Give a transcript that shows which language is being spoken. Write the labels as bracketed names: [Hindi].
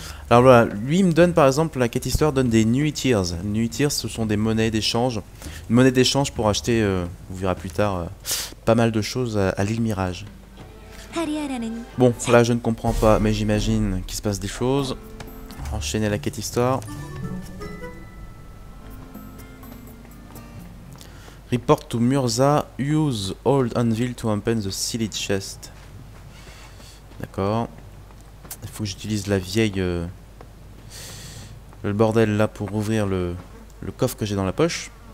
[French] Alors voilà, lui il me donne par exemple, la quête histoire donne des Nuitiers. Nuitiers, ce sont des monnaies d'échange. Une monnaie d'échange pour acheter, vous verrez plus tard, pas mal de choses à l'île Mirage. Bon, là je ne comprends pas, mais j'imagine qu'il se passe des choses. Enchaîner la quête histoire. [English] Report to Murza, use old anvil to open the sealed chest. [French] D'accord. Il faut que j'utilise la vieille... le bordel là pour ouvrir le coffre que j'ai dans la poche.